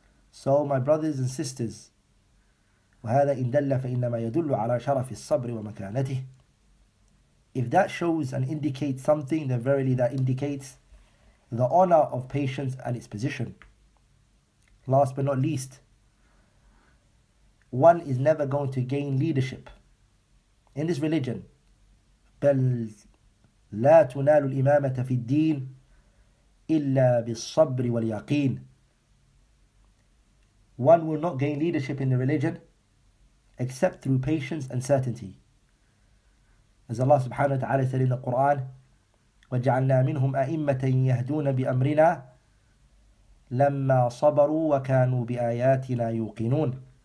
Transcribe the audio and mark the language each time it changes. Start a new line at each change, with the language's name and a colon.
English: So my brothers and sisters,
Arabic: وهذا إن دل فإنما يدل على شرف الصبر ومكانته.
English: If that shows and indicates something, then verily that indicates the honor of patience and its position. Last but not least, one is never going to gain leadership in this religion.
Arabic: بل لا تنال الإمامة في الدين إلا بالصبر واليقين.
English: One will not gain leadership in the religion except through patience and certainty. As Allah subhanahu wa ta'ala said in the Quran,
Arabic: وَجَعَلْنَا مِنْهُمْ أَئِمَّةً يَهْدُونَ بِأَمْرِنَا لَمَّا صَبَرُوا وَكَانُوا بِآيَاتِنَا يُوقِنُونَ.